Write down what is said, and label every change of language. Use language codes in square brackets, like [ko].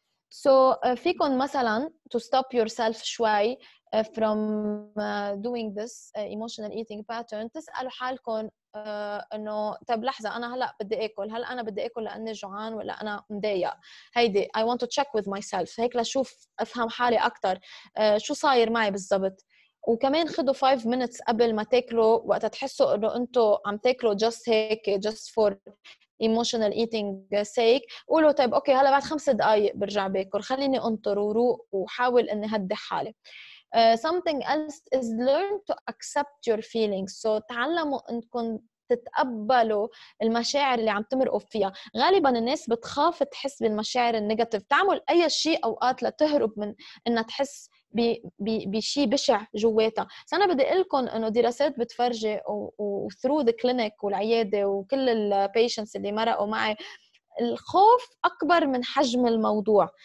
[ar] So فيكن مثلا to stop yourself شوي from doing this emotional eating pattern, تسألوا حالكن انه طب لحظة انا هلأ بدي اكل, هل انا بدي اكل لاني جوعان ولا انا مضايق, هيدي [en] I want to check with myself [ar] هيك لشوف افهم حالي اكتر شو صاير معي بالضبط. وكمان خدوا 5 minutes قبل ما تاكلوا وقت تحسوا انه انتو عم تاكلوا just هيك just for emotional eating sake, قولوا طيب اوكي هلا بعد 5 دقائق برجع باكل, خليني انطر وروق وحاول اني هدي حالي. [en] Something else is learn to accept your feelings. [ar] So تعلموا انكم تتقبلوا المشاعر اللي عم تمرقوا فيها. غالبا الناس بتخاف تحس بالمشاعر النيجاتيف, تعمل اي شيء اوقات لتهرب من انها تحس بشيء بشع جواتها. سأنا بدي قلكم أنه دراسات بتفرجي [en] through the clinic [ar] والعيادة وكل الpatients اللي مرقوا معي, الخوف أكبر من حجم الموضوع.